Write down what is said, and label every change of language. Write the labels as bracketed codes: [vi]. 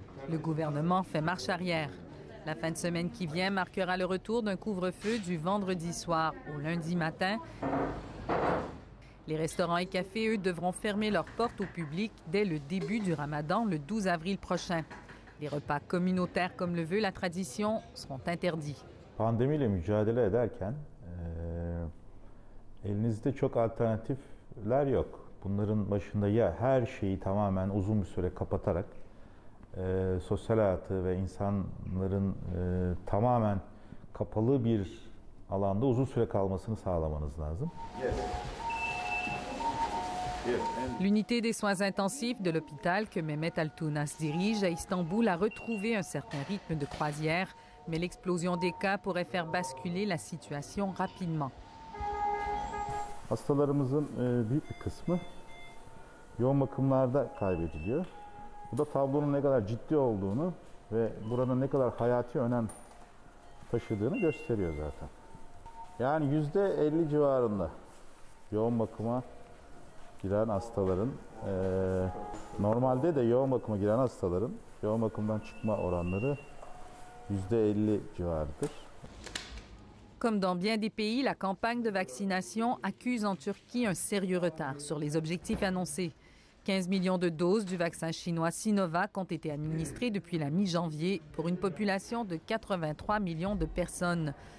[fr] Le gouvernement fait marche arrière. La fin de semaine qui vient marquera le retour d'un couvre-feu du vendredi soir au lundi matin. Les restaurants et cafés, eux, devront fermer leurs portes au public dès le début du Ramadan, le 12 avril prochain. Les repas communautaires, comme le veut la tradition, seront interdits. [tr] Pandémie le mücadele ederken elinizde çok alternatifler yok. Bunların başında ya her şeyi tamamen uzun bir süre kapatarak sosyal hayatı ve insanların tamamen kapalı bir alanda uzun süre kalmasını sağlamanız lazım. [fr] L'unité des soins intensifs de l'hôpital que Mehmet Altunas dirige à Istanbul a retrouvé un certain rythme de croisière, mais l'explosion des cas pourrait faire basculer la situation rapidement. [tr] Hastalarımızın büyük bir kısmı yoğun bakımlarda kaybediliyor. Bu da tablonun ne kadar ciddi olduğunu ve buranın ne kadar hayati önem taşıdığını gösteriyor zaten. Yani %50 civarında yoğun bakıma giren hastaların, normalde de yoğun bakıma giren hastaların yoğun bakımdan çıkma oranları %50 civarıdır. [fr] Comme dans bien des pays, la campagne de vaccination accuse en Turquie un sérieux retard sur les objectifs annoncés. 15 millions de doses du vaccin chinois Sinovac ont été administrées depuis la mi-janvier pour une population de 83 millions de personnes.